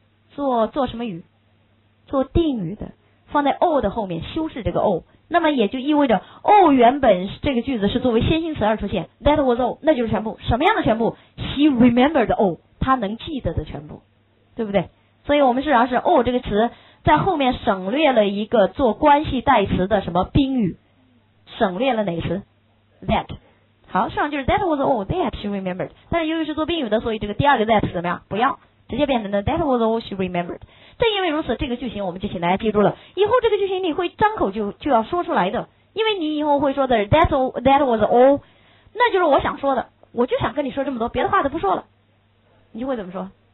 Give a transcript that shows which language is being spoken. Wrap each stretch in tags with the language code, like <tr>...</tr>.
<zh>做什么语？做定语的，放在 all 的后面修饰这个 all， 那么也就意味着 all 原本这个句子是作为先行词而出现，</zh> <en>that was all，</en> <zh>那就是全部。什么样的全部？</zh> <en>She remembered all，</en> <zh>她能记得的全部，对不对？所以我们实际上是 all 这个词在后面省略了一个做关系代词的什么宾语，省略了哪个词 ？That。好，上就是</zh> <en>That was all that she remembered。</en> <zh>但是由于是做宾语的，所以这个第二个 that 怎么样？不要，直接变成了</zh> <en>That was all she remembered。</en> <zh>正因为如此，这个句型我们就请大家记住了。以后这个句型你会张口就要说出来的，因为你以后会说的</zh> <en>That was all，</en> <zh>那就是我想说的，我就想跟你说这么多，别的话都不说了。你就会怎么说？</zh>